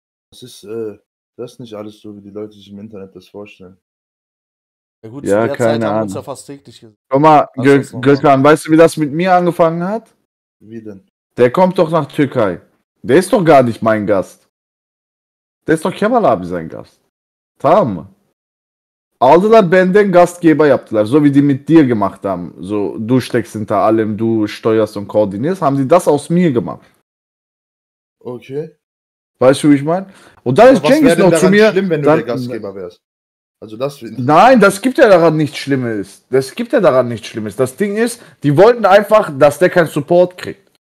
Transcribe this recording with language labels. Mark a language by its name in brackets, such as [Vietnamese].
[German] Das ist nicht alles so, wie die Leute sich im Internet das vorstellen. Ja, gut, ja, zu der keine Zeit Ahnung. Haben wir uns ja fast täglich gesehen. Guck mal, Gökhan, weißt du, wie das mit mir angefangen hat? Wie denn? Der kommt doch nach Türkei. Der ist doch gar nicht mein Gast. Der ist doch Kemal Abi sein Gast. [Turkish] Tamam mı? Aldılar benden Gastgeber yaptılar. [German] So wie die mit dir gemacht haben. So, du steckst hinter allem, du steuerst und koordinierst. Haben die das aus mir gemacht. Okay. Weißt du, wie ich meine? Und dann aber ist Cengiz noch zu mir. Was wäre denn daran schlimm, wenn du der Gastgeber wärst? Also das nein, das gibt ja daran nichts Schlimmes. Das Ding ist, die wollten einfach, dass der keinen Support kriegt.